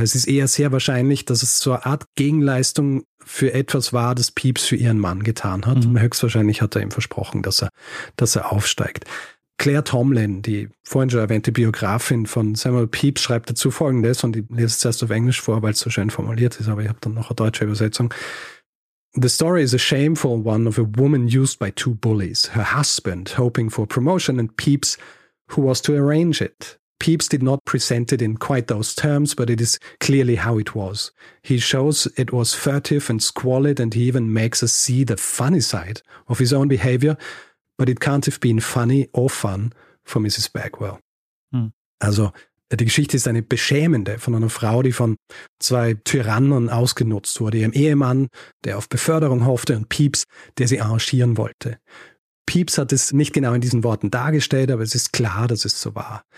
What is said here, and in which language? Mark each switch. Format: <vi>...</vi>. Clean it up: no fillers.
<de>Es ist eher sehr wahrscheinlich, dass es so eine Art Gegenleistung für etwas war, das Pepys für ihren Mann getan hat. Mhm. Höchstwahrscheinlich hat er ihm versprochen, dass er aufsteigt. Claire Tomlin, die vorhin schon erwähnte Biografin von Samuel Pepys, schreibt dazu Folgendes, und ich lese es erst auf Englisch vor, weil es so schön formuliert ist, aber ich habe dann noch eine deutsche Übersetzung.</de> <en>The story is a shameful one of a woman used by two bullies, her husband hoping for promotion and Pepys, who was to arrange it. Pepys did not present it in quite those terms, but it is clearly how it was. He shows it was furtive and squalid, and he even makes us see the funny side of his own behavior, but it can't have been funny or fun for Mrs. Bagwell. Hm.</en> <de>Also, die Geschichte ist eine beschämende von einer Frau, die von zwei Tyrannen ausgenutzt wurde, ihrem Ehemann, der auf Beförderung hoffte, und Pepys, der sie arrangieren wollte. Pepys hat es nicht genau in diesen Worten dargestellt, aber es ist klar, dass es so war.</de>